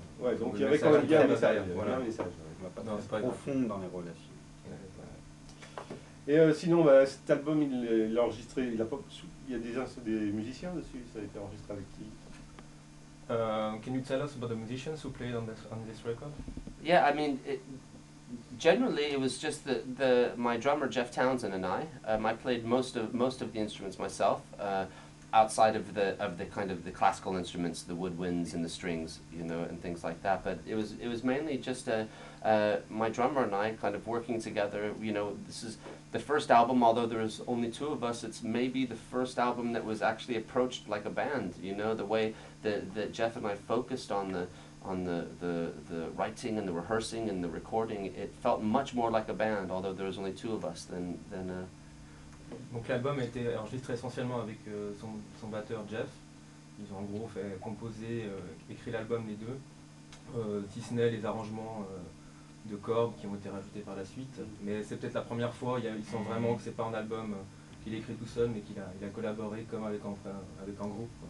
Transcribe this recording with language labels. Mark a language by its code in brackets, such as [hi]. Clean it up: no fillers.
[fr] Ouais, donc il y avait quand même bien un message. Voilà. Bien un message, ouais. On va pas être profond dans les relations. Et sinon, cet album, il a enregistré, il a pas, il y a des musiciens dessus, ça a été enregistré avec qui? [en] Can you tell us about the musicians who played on this record? Yeah, I mean, generally it was just the my drummer Jeff Townsend and I. I played most of the instruments myself, outside of the classical instruments, the woodwinds and the strings, you know, and things like that. But it was mainly just my drummer and I kind of working together. You know, this is the first album, although there's only two of us, it's maybe the first album that was actually approached like a band, you know, the way that Jeff and I focused on the writing and the rehearsing and the recording, it felt much more like a band, although there was only two of us [fr] Donc l'album a été enregistré essentiellement avec son batteur Jeff. Ils ont en gros fait composer, écrit l'album les deux, si ce n'est les arrangements de cordes qui ont été rajoutés par la suite. Mais c'est peut-être la première fois, ils sentent vraiment que c'est pas un album qu'il a écrit tout seul, mais qu'il a collaboré comme avec un groupe.